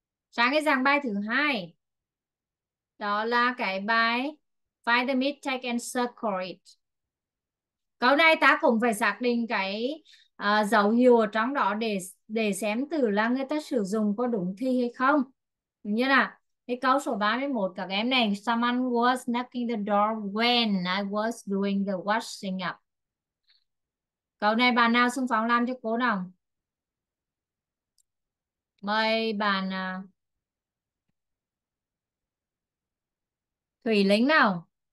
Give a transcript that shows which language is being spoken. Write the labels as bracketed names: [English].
[Vietnamese] Sang cái dạng bài thứ hai. Đó là cái bài [English] Find the mid-take and circle it. [Vietnamese] Câu này ta cũng phải xác định cái dấu hiệu ở trong đó để xem từ là người ta sử dụng có đúng thi hay không. Như là cái câu số 31 các em này. [English] Someone was knocking the door when I was doing the washing up. [Vietnamese] Câu này bạn nào xung phong làm cho cô nào? Mời bạn Thủy Linh nào.